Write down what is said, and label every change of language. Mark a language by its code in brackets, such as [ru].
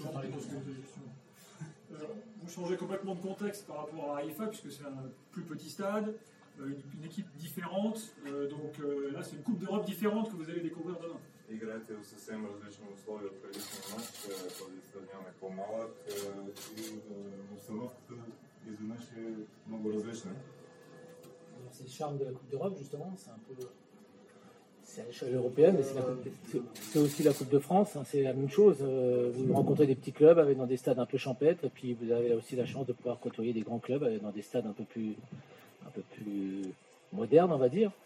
[fr] Vous changez complètement de contexte par rapport à Haïfa, puisque c'est un plus petit stade, une équipe différente. Donc là, c'est une Coupe d'Europe différente que vous allez découvrir demain. [bg] Играете в съвсем различни условия от предишния матч, този стадион е по-малък и обстановката изведнъж е много различна. [fr] C'est le charme de la Coupe d'Europe, justement, c'est un peu. C'est à l'échelle européenne, mais c'est aussi la Coupe de France, hein, c'est la même chose. Vous rencontrez des petits clubs avec, dans des stades un peu champêtres, et puis vous avez aussi la chance de pouvoir côtoyer des grands clubs avec, dans des stades un peu plus modernes, on va dire.